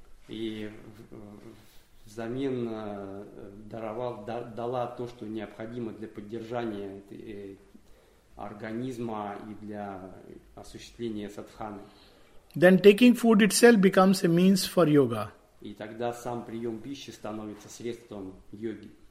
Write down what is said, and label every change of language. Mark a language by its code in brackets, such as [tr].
[ru] И взамен дала то, что необходимо для поддержания организма и для осуществления садханы. [en] Then taking food itself becomes a means for yoga. [ru] И тогда сам прием пищи становится средством йоги.